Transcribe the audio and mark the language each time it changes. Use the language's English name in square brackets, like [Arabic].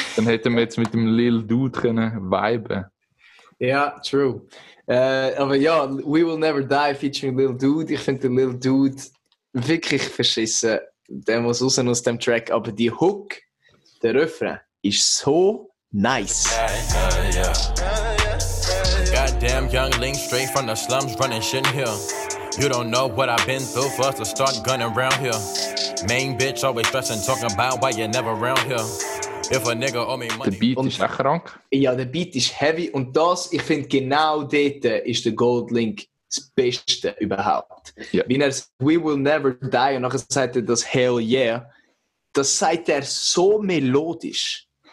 [German] Dann hätten wir jetzt mit dem Lil Dude können viben. Ja, true. Aber ja, We Will Never Die featuring Lil Dude. Ich finde den Lil Dude wirklich verschissen. Der muss raus aus dem Track. Aber die Hook, der Refrain, ist so nice. [English] Goddamn youngling straight from the slums running shit here. You don't know what I've been through for us to start gunning around here. Main bitch always stressing, talking about why you're never around here. If a nigga owe me money. [German] Der Beat und, ist echt krank. Ja, der Beat ist heavy und das, ich finde, genau dort ist der Goldlink das Beste überhaupt. Yeah. Wie er sagt, We Will Never Die und nachher sagt er das Hell Yeah, das sagt er so melodisch.